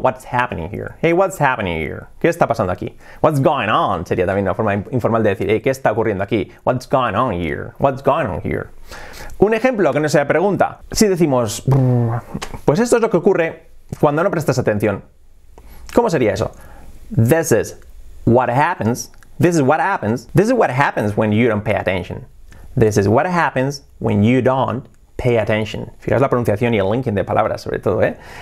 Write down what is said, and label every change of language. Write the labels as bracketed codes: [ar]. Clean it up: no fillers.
[en] What's happening here? Hey, what's happening here? [es] ¿Qué está pasando aquí? [en] What's going on? [es] Sería también una forma informal de decir, hey, ¿qué está ocurriendo aquí? [en] What's going on here? [es] What's going on here? Un ejemplo que no sea pregunta. Si decimos, pues esto es lo que ocurre cuando no prestas atención. ¿Cómo sería eso? [en] This is what happens. This is what happens. This is what happens when you don't pay attention. This is what happens when you don't pay attention. [es] Fijaos la pronunciación y el linking de palabras sobre todo, ¿eh?